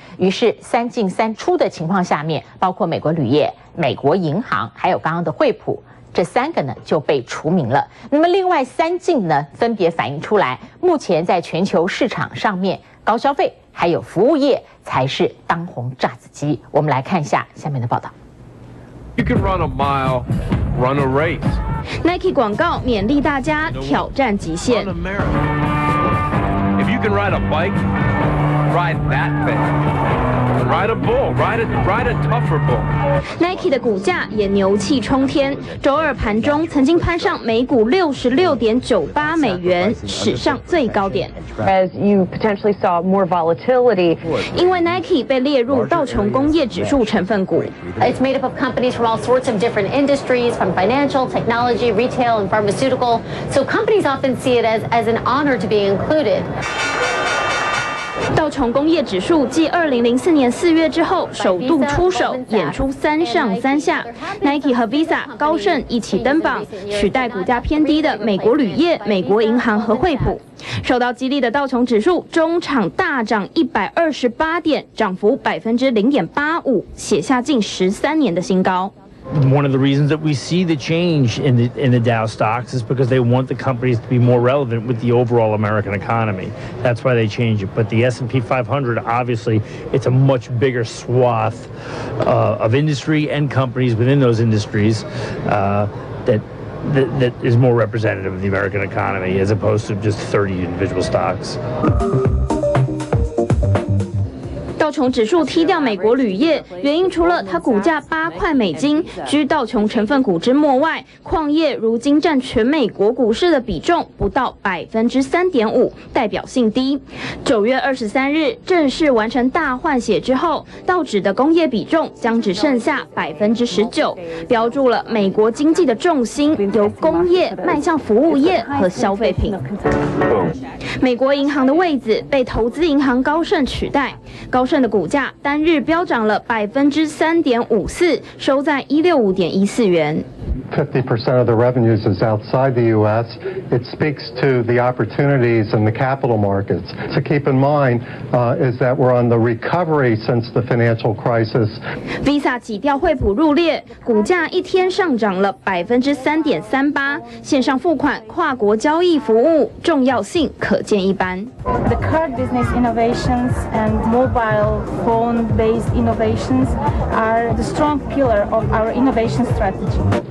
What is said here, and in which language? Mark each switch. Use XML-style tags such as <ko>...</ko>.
<zh>于是三进三出的情况下面，包括美国铝业、美国银行还有刚刚的惠普，这三个呢就被除名了。那么另外三进呢分别反映出来，目前在全球市场上面高消费还有服务业才是当红炸子鸡。我们来看一下下面的报道。</zh> <en>You can run a mile, run a race.</en> <zh>Nike 广告勉励大家挑战极限。</zh> <en>If you can ride a bike, ride that thing. Ride a bull, ride a tougher bull.</en> <zh>Nike 的股价也牛气冲天，周二盘中曾经攀上每股66.98美元，史上最高点。</zh> <en>As you potentially saw more volatility,</en> <zh>因为 Nike 被列入道琼工业指数成分股。</zh> <en>It's made up of companies from all sorts of different industries, from financial, technology, retail, and pharmaceutical. So companies often see it as an honor to be included.</en> <zh>道琼工业指数继2004年4月之后首度出手，演出三上三下。 Nike 和 Visa、高盛一起登榜，取代股价偏低的美国铝业、美国银行和惠普。受到激励的道琼指数中场大涨128点，涨幅0.85%，写下近13年的新高。</zh> <en>One of the reasons that we see the change in the Dow stocks is because they want the companies to be more relevant with the overall American economy. That's why they change it. But the S&P 500, obviously, it's a much bigger swath of industry and companies within those industries that is more representative of the American economy as opposed to just 30 individual stocks.</en> <zh>道琼指数踢掉美国铝业，原因除了它股价$8居道琼成分股之末外，矿业如今占全美国股市的比重不到3.5%，代表性低。 9月23日正式完成大换血之后，道指的工业比重将只剩下19%，标注了美国经济的重心由工业迈向服务业和消费品。美国银行的位子被投资银行高盛取代，高盛的股价单日飙涨了3.54%，收在16.14元。</zh> <en>50% of the revenues is outside the U.S., it speaks to the opportunities in the capital markets. To keep in mind, is that we're on the recovery since the financial crisis.</en> <zh>Visa 挤掉惠普入列，股价一天上涨了3.38%。线上付款、跨国交易服务重要性可见一斑。</zh> <en>The card business innovations and mobile phone-based innovations are the strong pillar of our innovation strategy.</en>